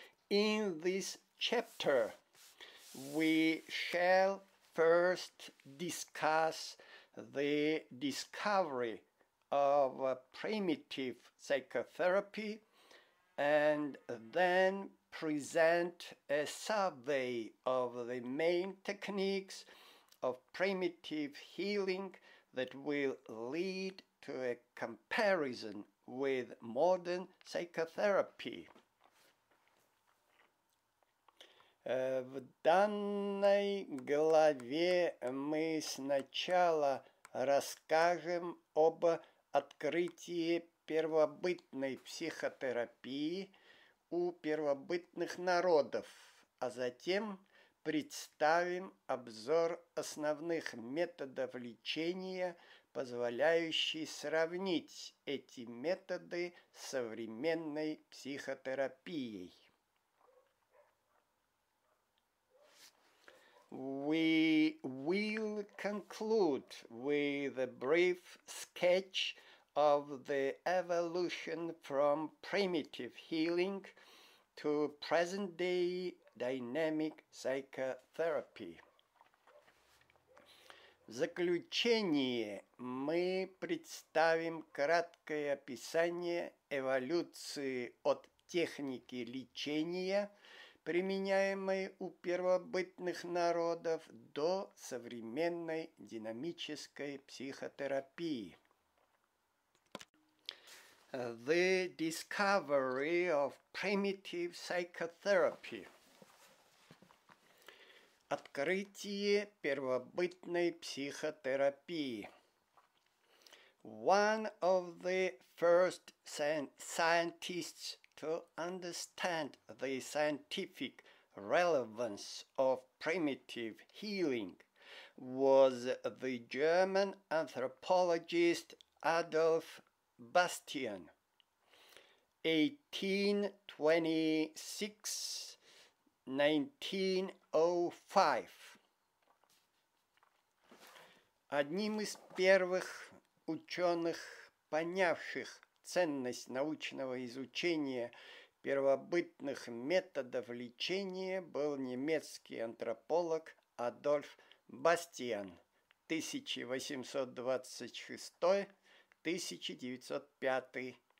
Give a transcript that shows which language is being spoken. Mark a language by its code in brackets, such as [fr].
[en] In this chapter, we shall first discuss the discovery of primitive psychotherapy and then present a survey of the main techniques of primitive healing that will lead to a comparison with modern psychotherapy. [ru] В данной главе мы сначала расскажем об открытии первобытной психотерапии у первобытных народов, а затем представим обзор основных методов лечения, позволяющий сравнить эти методы с современной психотерапией. [en] We will conclude with a brief sketch of the evolution from primitive healing to present-day dynamic psychotherapy. [ru] В заключение мы представим краткое описание эволюции от техники лечения, применяемой у первобытных народов, до современной динамической психотерапии. [en] The discovery of primitive psychotherapy. [ru] Открытие первобытной психотерапии. [en] One of the first scientists to understand the scientific relevance of primitive healing was the German anthropologist Adolf Bastian, 1826-1905. [ru] Одним из первых ученых, понявших ценность научного изучения первобытных методов лечения, был немецкий антрополог Адольф Бастиан, 1826-1905.